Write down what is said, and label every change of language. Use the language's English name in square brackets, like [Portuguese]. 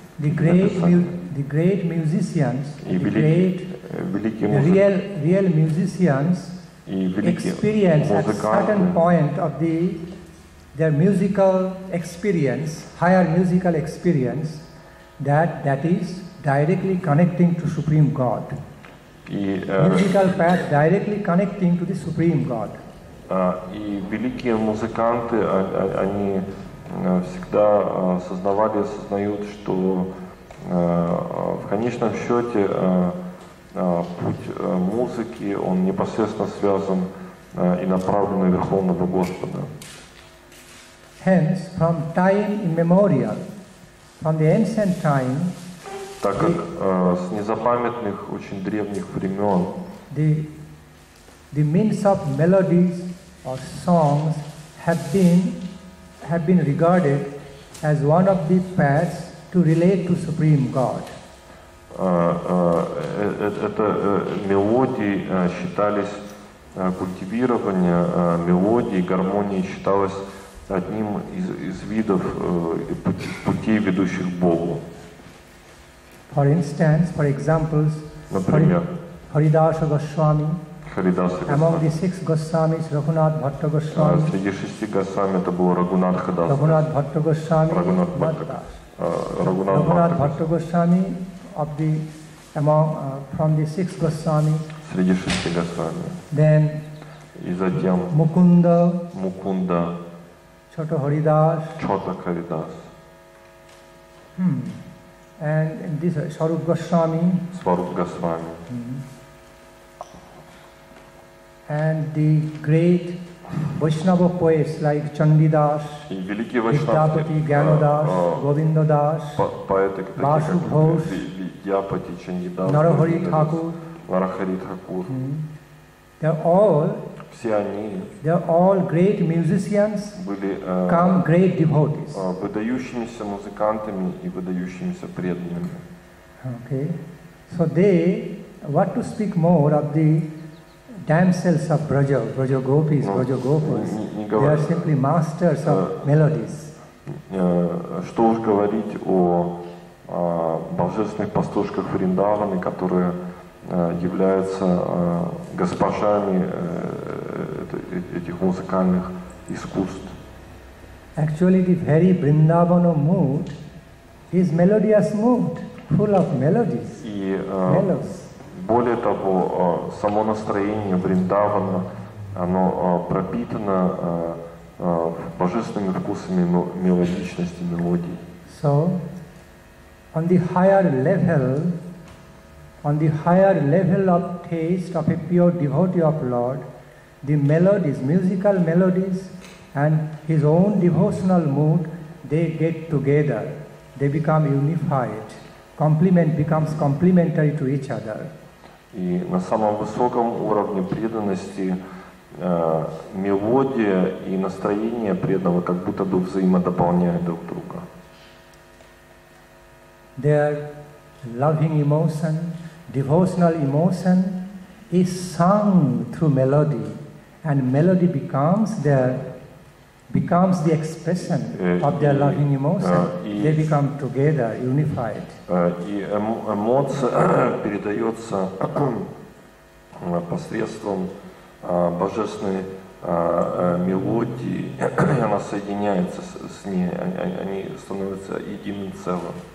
[English] The great musicians, real musicians experience at certain point of their musical experience, higher musical experience, that is directly connecting to Supreme God. Musical path directly connecting to the Supreme God. [Russian] И великие музыканты, они всегда сознавали, осознают, что в конечном счете путь музыки, он непосредственно связан и направлен на Верховного Господа. [English] Hence, from time immemorial, from the ancient time, [Russian] так как с незапамятных, очень древних времен, [English] the means of melodies or songs have been regarded as one of the paths to relate to Supreme God. [Russian] Это мелодии считались, культивирование мелодии, гармонии считалось одним из видов или путей, ведущих к Богу. [English] For instance, for examples, [Russian] например, [English] Haridasa Goswami, [Russian] Haridasa Goswami, [English] among the six Goswamis, Raghunath Bhatta Goswami, [Russian] среди шести Госвами это был Рагунат Хадас, Рагунат Бхатта Госвами, Рагунат Бхатта. [English] Raghunath Bhatta Goswami of the among from the six Goswami. [Russian] Среди шести Госвами. [English] Then. [Russian] И затем. [English] Mukunda. [Russian] Mukunda. [English] Chota Haridas. [Russian] Chota Haridas. [English] Hmm. And this Swarup Goswami. [Russian] Swarup Goswami. [English] And the great Vaishnava poets like Chandidas, Vidyapati, Gyanadas, Govinda Das, Basu Ghosh, Vidyapati, Chandidas, Narahari Thakur, Narahari Thakur. They are all great musicians, come great devotees. [Russian] Выдающимися музыкантами и выдающимися преданными. [English] Okay. So they, what to speak more of the damsels of Braja, Braja Gopis, Braja Gopas, they are simply masters of melodies. [Russian] Что уж говорить о божественных пастушках Вриндаваны, которые являются госпожами этих музыкальных искусств. [English] Actually, the very Vrindavana mood is melodious mood, full of melodies, melos. [Russian] Более того, само настроение Вриндавана, оно пропитано божественными вкусами мелодичности, мелодии. [English] So, on the higher level, of taste of a pure devotee of Lord, the melodies, musical melodies, and his own devotional mood, they get together, they become unified, complement becomes complementary to each other. [Russian] И на самом высоком уровне преданности мелодия и настроение преданного как будто бы взаимодополняют друг друга. [English] Their loving emotion, devotional emotion is sung through melody, and melody becomes the expression of their loving emotion. They become together, unified. [Russian] И эмоция передается посредством божественной мелодии. Она соединяется с ней. Они становятся единым целым.